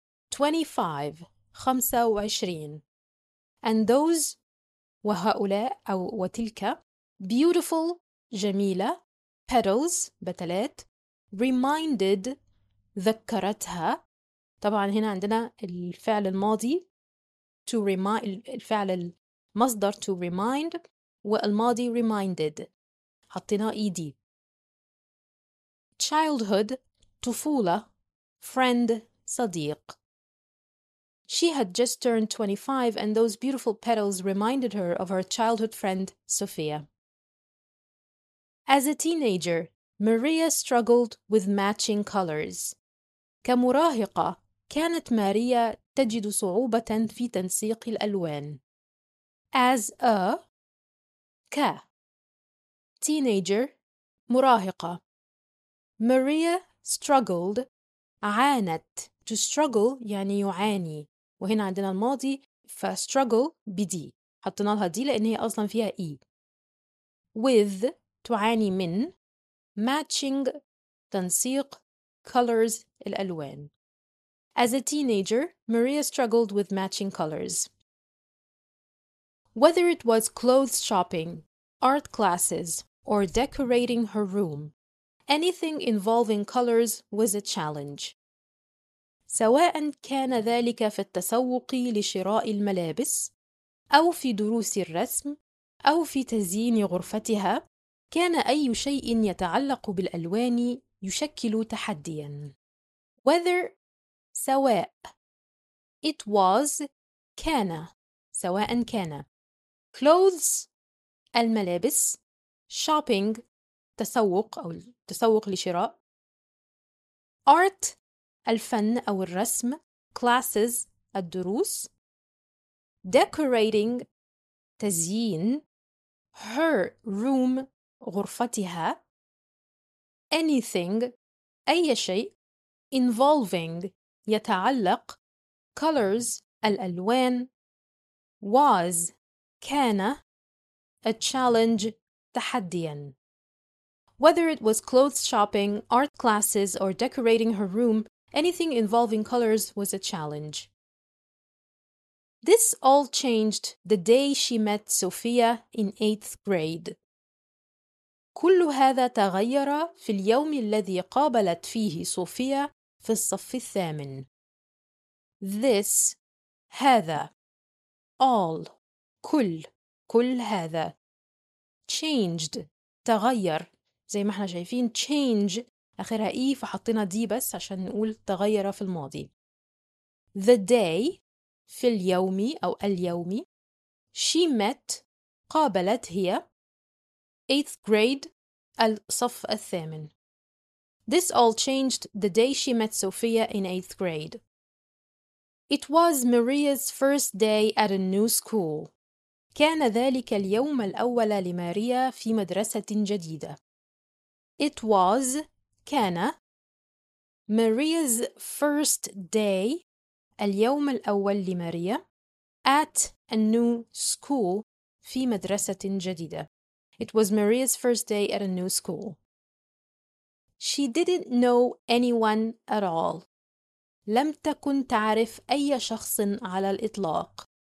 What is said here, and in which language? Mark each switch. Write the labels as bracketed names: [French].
[English] 25 25 and those [Arabic] وهؤلاء أو وتلك [English] beautiful [Arabic] جميلة [English] petals [Arabic] بتلات [English] reminded [Arabic] ذكرتها طبعا هنا عندنا الفعل الماضي [English] to remind [Arabic] الفعل المصدر [English] to remind [Arabic] والماضي [English] reminded [Arabic] حطينا إيدي [English] childhood [Arabic] طفولة [English] friend [Arabic] صديق [English] She had just turned 25 and those beautiful petals reminded her of her childhood friend, Sophia. As a teenager, Maria struggled with matching colors. [Arabic] كمراهقة كانت ماريا تجد صعوبة في تنسيق الألوان. As a ك teenager مراهقة Maria struggled عانت [English] to struggle [Arabic] يعني يعاني وهنا عندنا الماضي ف [English] struggle [Arabic] بدي حطنا لها دي لأن هي أصلا فيها إي [English] with [Arabic] تعاني من [English] matching [Arabic] تنسيق [English] colors [Arabic] الألوان [English] As a teenager, Maria struggled with matching colors. Whether it was clothes shopping, art classes, or decorating her room, anything involving colors was a challenge. [Arabic] سواء كان ذلك في التسوق لشراء الملابس أو في دروس الرسم أو في تزيين غرفتها كان أي شيء يتعلق بالألوان يشكل تحدياً [English] Whether [Arabic] سواء [English] It was [Arabic] كان سواء كان [English] Clothes [Arabic] الملابس [English] Shopping [Arabic] تسوق أو التسوق لشراء [English] Art [Arabic] الفن أو الرسم [English] classes [Arabic] الدروس [English] decorating [Arabic] تزيين [English] her room [Arabic] غرفتها [English] anything [Arabic] أي شيء [English] involving [Arabic] يتعلق [English] colors [Arabic] الألوان [English] was [Arabic] كان [English] a challenge [Arabic] تحدياً [English] whether it was clothes shopping art classes or decorating her room Anything involving colors was a challenge. This all changed the day she met Sophia in 8th grade. [Arabic] كل هذا تغير في اليوم الذي قابلت فيه صوفيا في الصف الثامن. [English] This, [Arabic] هذا, [English] all, [Arabic] كل, كل هذا, [English] changed, [Arabic] تغير, زي ما احنا شايفين [English] change, [Arabic] أخرها إيه فحطينا دي بس عشان نقول تغير في الماضي. [English] The day [Arabic] في اليوم أو اليوم [English] she met [Arabic] قابلت هي [English] 8th grade [Arabic] الصف الثامن. [English] This all changed the day she met Sophia in 8th grade. It was Maria's first day at a new school. [Arabic] كان ذلك اليوم الأول لماريا في مدرسة جديدة. [English] It was [Arabic] كان [English] Maria's first day [Arabic] اليوم الأول لماريا [English] at a new school [Arabic] في مدرسة جديدة. [English] It was Maria's first day at a new school. She didn't know anyone at all. [Arabic] لم تكن تعرف أي شخص على الإطلاق.